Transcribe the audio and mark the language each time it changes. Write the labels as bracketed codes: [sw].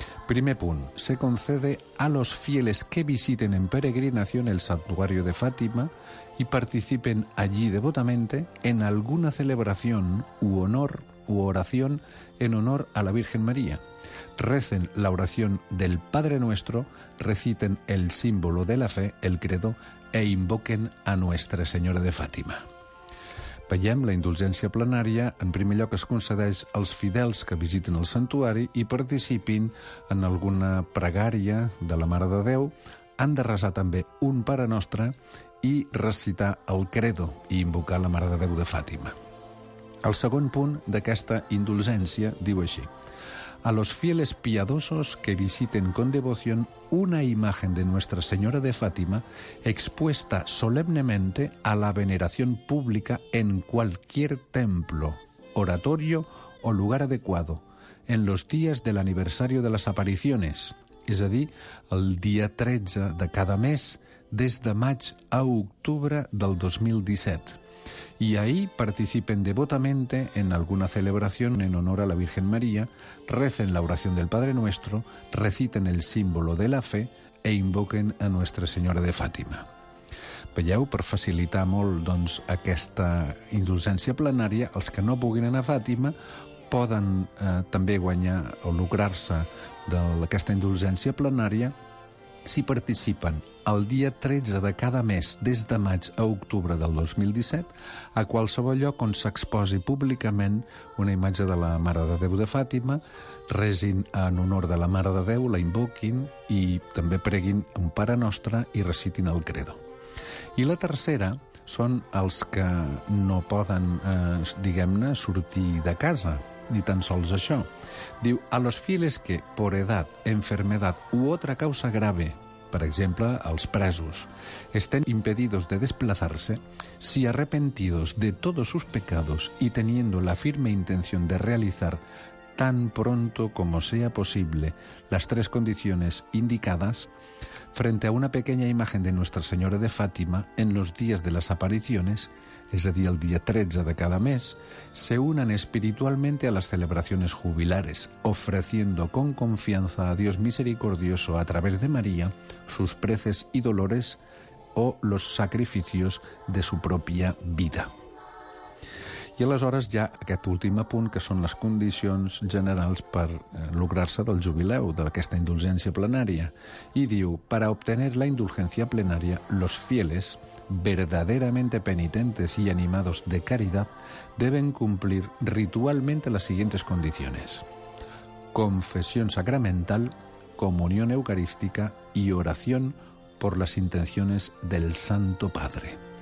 [ca] Primer punt, [es] se concede a los fieles que visiten en peregrinación el santuario de Fátima y participen allí devotamente en alguna celebración u honor u oración en honor a la Virgen María. Recen la oración del Padre Nuestro, reciten el símbolo de la fe, el credo, e invoquen a Nuestra Señora de Fátima. [ca] Veiem, la indulgència plenària, en primer lloc, es concedeix als fidels que visiten el santuari i participin en alguna pregària de la Mare de Déu. Han de resar també un Pare Nostre i recitar el credo i invocar la Mare de Déu de Fàtima. El segon punt d'aquesta indulgència diu així: [es] a los fieles piadosos que visiten con devoción una imagen de Nuestra Señora de Fátima expuesta solemnemente a la veneración pública en cualquier templo, oratorio o lugar adecuado en los días del aniversario de las apariciones, [ca] és a dir, el dia 13 de cada mes, des de maig a octubre del 2017. [es] Y ahí participen devotamente en alguna celebración en honor a la Virgen María, recen la oración del Padre Nuestro, reciten el símbolo de la fe e invoquen a Nuestra Señora de Fátima. [ca] Veieu, per facilitar molt doncs, aquesta indulgència plenària, els que no puguin anar a Fàtima poden també guanyar o lucrar-se d'aquesta indulgència plenària si participen el dia 13 de cada mes, des de maig a octubre del 2017, a qualsevol lloc on s'exposi públicament una imatge de la Mare de Déu de Fàtima, resin en honor de la Mare de Déu, la invoquin i també preguin un Pare Nostre i recitin el credo. I la tercera són els que no poden, diguem-ne, sortir de casa, ni tan sols això. [es] Diu, a los fieles que, por edad, enfermedad u otra causa grave, [ca] per exemple, els presos, [es] estén impedidos de desplazarse, si arrepentidos de todos sus pecados y teniendo la firme intención de realizar tan pronto como sea posible las tres condiciones indicadas, frente a una pequeña imagen de Nuestra Señora de Fátima en los días de las apariciones, es decir, el día 13 de cada mes, se unan espiritualmente a las celebraciones jubilares, ofreciendo con confianza a Dios misericordioso a través de María sus preces y dolores o los sacrificios de su propia vida. [ca] I aleshores ja aquest últim punt, que són les condicions generals per lograr-se del jubileu, d'aquesta indulgència plenària. I diu, [es] para obtener la indulgencia plenaria, los fieles, verdaderamente penitentes y animados de caridad, deben cumplir ritualmente las siguientes condiciones. Confesión sacramental, comunión eucarística y oración por las intenciones del Santo Padre.